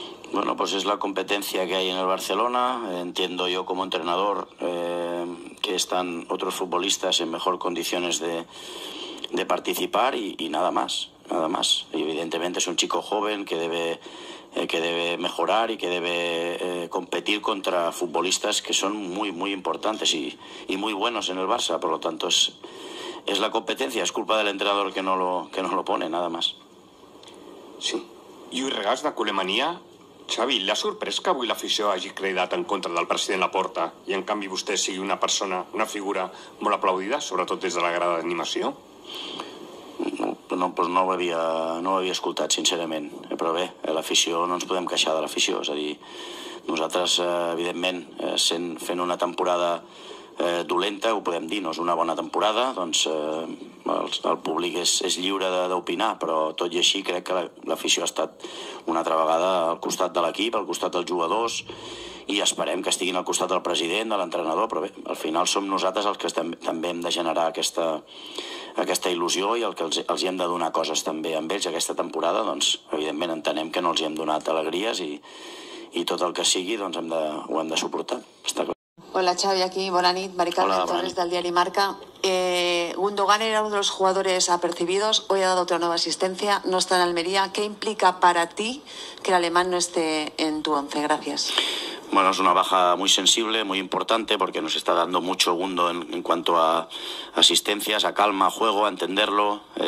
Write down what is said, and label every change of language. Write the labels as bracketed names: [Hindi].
[Spanish] Bueno, pues es la competencia que hay en el Barcelona. Entiendo yo como entrenador que están otros futbolistas en mejor condiciones de participar y nada más. Y evidentemente es un chico joven que debe que debe mejorar y que debe competir contra futbolistas que son muy, muy importantes y muy buenos en el Barça. Por lo tanto, es la competencia, es culpa del entrenador que no lo pone, nada más. [Catalan] Sí. I ho regals de culemania? Xavi, la sorpresa que avui l'afició hagi cridat en contra del president Laporta i en canvi vostè sigui una persona, una figura molt aplaudida, sobretot des de la grada d'animació? No, pues no ho havia escoltat, sincerament. Però bé, l'afició, no ens podem queixar de l'afició. És a dir, nosaltres, evidentment, fent una temporada dolenta, ho podem dir, no és una bona temporada, doncs el públic és lliure d'opinar, però tot i així crec que l'afició ha estat una altra vegada al costat de l'equip, al costat dels jugadors, i esperem que estiguin al costat del president, de l'entrenador, però bé, al final som nosaltres els que també hem de generar aquesta il·lusió i el que els hi hem de donar coses també amb ells aquesta temporada, doncs evidentment entenem que no els hi hem donat alegries i tot el que sigui, doncs ho hem de suportar, està clar. Hola Xavi, aquí, bona nit, Maricarmen Torres, bona nit. Del diari Marca. [Spanish] Gundogan era uno de los jugadores apercibidos, hoy ha dado otra nueva asistencia, no está en Almería. ¿Qué implica para ti que el alemán no esté en tu once? Gracias. Bueno, es una baja muy sensible, muy importante, porque nos está dando mucho Gundo en cuanto a asistencias, a calma, a juego, a entenderlo.